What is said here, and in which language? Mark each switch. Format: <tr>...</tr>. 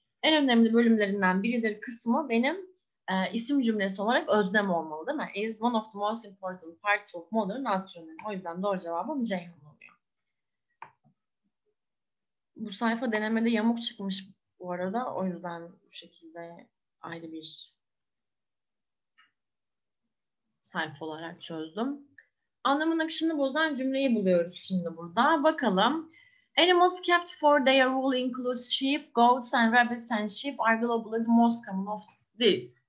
<tr>En önemli bölümlerinden biridir kısmı benim isim cümlesi olarak öznem olmalı değil mi?</tr> <en>Is one of the most important parts of modern astronomy.</en> <tr>O yüzden doğru cevabım Ceyhan oluyor. Bu sayfa denemede yamuk çıkmış bu arada. O yüzden bu şekilde ayrı bir sayfa olarak çözdüm. Anlamın akışını bozan cümleyi buluyoruz şimdi burada. Bakalım.</tr> <en>Animals kept for their wool includes sheep, goats and rabbits and sheep are globally the most common of this.</en>